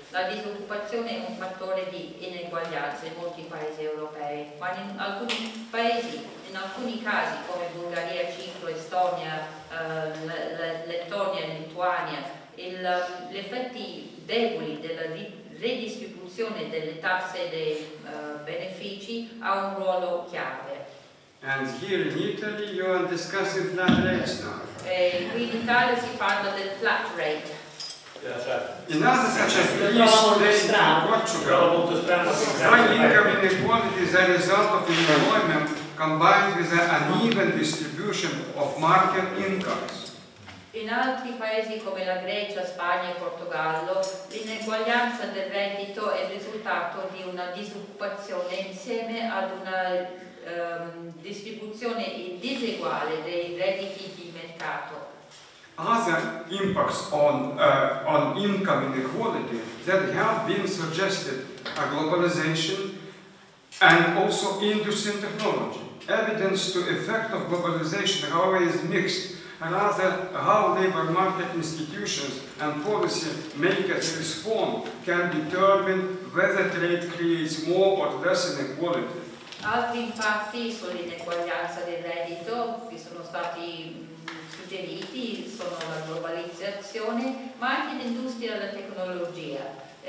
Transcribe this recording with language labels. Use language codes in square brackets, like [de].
[it] La disoccupazione è un fattore di ineguaglianza in molti paesi europei, ma in alcuni paesi, in alcuni casi come Bulgaria, Cipro, Estonia, Lettonia, Lituania, gli effetti deboli della redistribuzione delle tasse e dei benefici ha un ruolo chiave. [en] And here in Italy you are discussing flat rates now. [it] E qui in Italia si parla del flat rate. [en] In other such as Greece, Spain, Portugal, high income inequality is a result of employment combined with an uneven distribution of market incomes. [it] In altri paesi come la Grecia, Spagna e Portogallo, l'ineguaglianza del reddito è il risultato di una disoccupazione insieme ad una distribuzione diseguale dei redditi di mercato. [en] Other impacts on income inequality that have been suggested are globalization and also industry and technology. Evidence to effect of globalization, however, is mixed, and rather how labor market institutions and policy makers respond can determine whether trade creates more or less inequality. [it] Altri impatti sull'ineguaglianza del reddito che sono stati suggeriti sono la globalizzazione, ma anche l'industria e la tecnologia.